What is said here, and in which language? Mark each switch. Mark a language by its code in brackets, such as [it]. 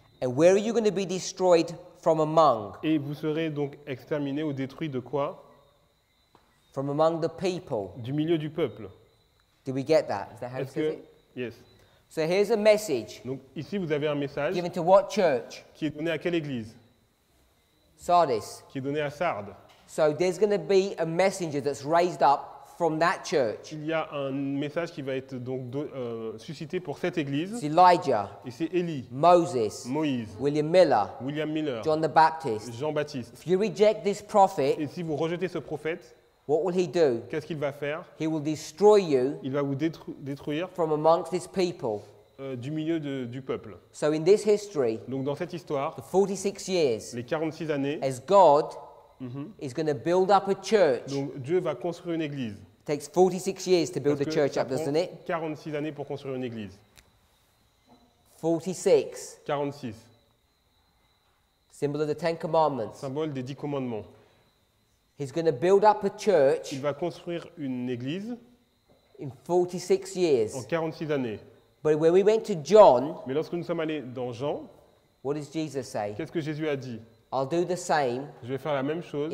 [en] And where are you going to be destroyed from among? [fr] Et vous serez donc exterminé ou détruit de quoi? [en] From among the people. [fr] Du milieu du peuple. [en] Do we get that? Is that how it says it? Yes. So here's a message. [fr] Donc ici vous avez un message. [en] Given to what church? [fr] Qui est donné à quelle église? [en] Sardis. [fr] Qui est donné à Sardes. [en] So there's going to be a messenger that's raised up from that church. [fr] Il y a un message qui va être donc suscité pour cette église. [en] It's Elijah. [fr] Et c'est Élie. [en] Moses. [fr] Moïse. [en] William Miller. [fr] William Miller. [en] John the Baptist. [fr] Jean Baptiste. [en] If you reject this prophet. [fr] Et si vous rejetez ce prophète. [en] What will he do? [fr] Qu'est-ce qu'il va faire? [en] He will destroy you. [fr] Il va vous détruire. [en] From amongst his people. [fr] Du milieu du peuple. [en] So in this history. [fr] Donc dans cette histoire. [en] The 46 years. [fr] Les 46 années. [en] As God. Is going to build up a church. [fr] Donc Dieu va construire une église. [en] It takes 46 years to build a church up, doesn't it? [fr] 46 années pour construire une église. [en] 46. [fr] 46. [en] Symbol of the Ten Commandments. [fr] Symbole des 10 commandements. [en] He's going to build up a church. [fr] Il va construire une église. [en] In 46 years. [fr] En 46 années. [en] But when we went to John. [fr] Mais lorsque nous sommes allés dans Jean. [en] What does Jesus say? [fr] Qu'est-ce que Jésus a dit? [en] I'll do the same. [fr] Je vais faire la même chose.